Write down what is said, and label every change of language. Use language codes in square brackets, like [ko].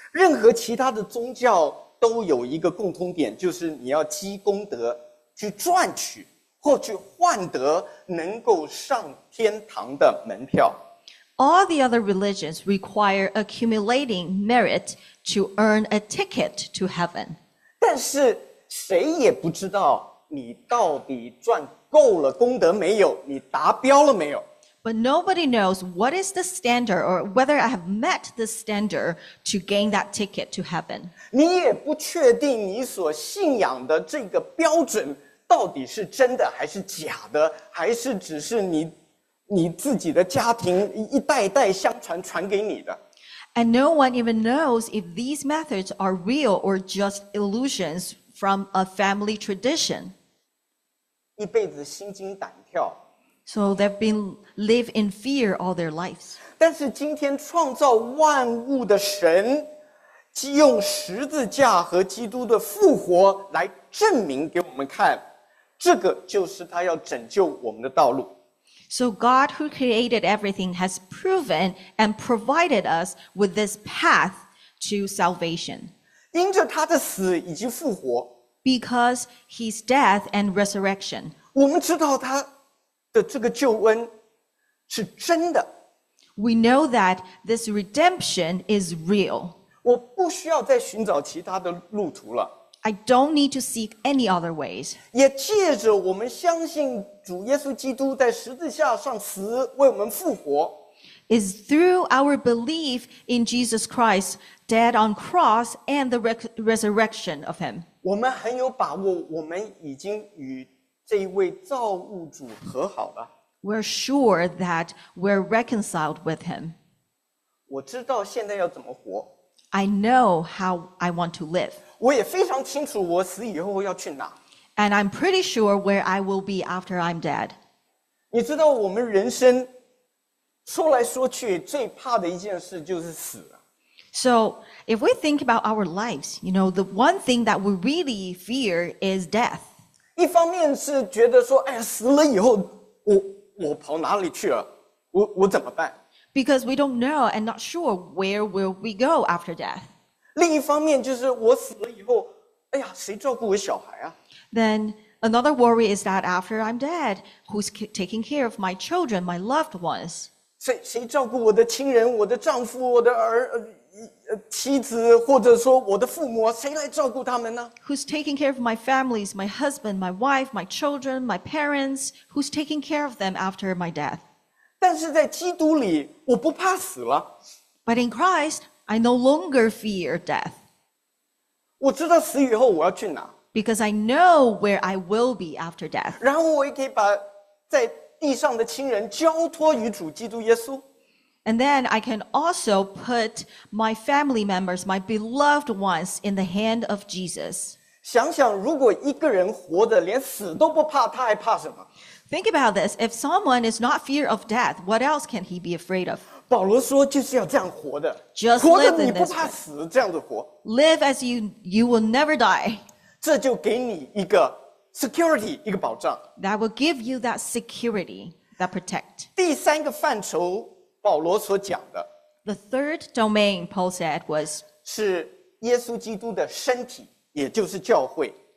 [zh] 任何其他的宗教都有一个共通点，就是你要积功德去赚取或去换得能够上天堂的门票。 [en] All the other religions require accumulating merit to earn a ticket to heaven. [zh] 但是谁也不知道你到底赚够了功德没有，你达标了没有。 [en] But nobody knows what is the standard or whether I have met the standard to gain that ticket to heaven. [zh] 你也不确定你所信仰的这个标准到底是真的还是假的，还是只是你自己的家庭一代代相传传给你的。 [en] And no one even knows if these methods are real or just illusions from a family tradition. [zh] 一辈子心惊胆跳。 [en] So they've been live in fear all their lives. [zh] 但是今天创造万物的神，用十字架和基督的复活来证明给我们看，这个就是他要拯救我们的道路。 [en] So God who created everything has proven and provided us with this path to salvation. [zh] 因着他的死以及复活， [en] because his death and resurrection. [zh] 我们知道他的这个救恩是真的。 [en] We know that this redemption is real. [zh] 我不需要再寻找其他的路途了。 [en] I don't need to seek any other ways. [zh] 也借着我们相信主耶稣基督在十字架上死为我们复活。 [en] Is through our belief in Jesus Christ, dead on cross and the resurrection of him. [zh] 我们很有把握我们已经与这一位造物主和好了。 [en] We're sure that we're reconciled with him. [zh] 我知道现在要怎么活。 [en] I know how I want to live. [zh] 我也非常清楚我死以后要去哪。 [en] And I'm pretty sure where I will be after I'm dead. [zh] 你知道我们人生说来说去最怕的一件事就是死。 [en] So, if we think about our lives, you know, the one thing that we really fear is death. [zh] 一方面是觉得说，哎，死了以后我跑哪里去了？我怎么办？ [en] Because we don't know and not sure where will we go after death. [zh] 另一方面就是我死了以后，哎呀，谁照顾我小孩啊？ [en] Then another worry is that after I'm dead, who's taking care of my children, my loved ones? [zh] 谁照顾我的亲人，我的丈夫，我的妻子，或者说我的父母，谁来照顾他们呢？ [en] Who's taking care of my families, my husband, my wife, my children, my parents? Who's taking care of them after my death? [zh] 但是在基督里，我不怕死了。 [en] But in Christ,I no longer fear death. [zh] 我知道死以后我要去哪。 [en] Because I know where I will be after death. [zh] 然后我也可以把在地上的亲人交托于主基督耶稣。 [en] And then I can also put my family members, my beloved ones, in the hand of Jesus. [zh] 想想如果一个人活着连死都不怕，他还怕什么？ [en] Think about this. If someone is not fear of death, what else can he be afraid of? [zh] 保罗说就是要这样活的。 [en] Just、 [zh] 活着你不怕死，这样子活。 [en] Live as you will never die. [zh] 这就给你一个 security, 一个保障。 [en] That will give you that security, that protect. [zh] 第三个范畴保罗所讲的。 [en] The third domain, Paul said, was, [zh] 是耶稣基督的身体，也就是教会。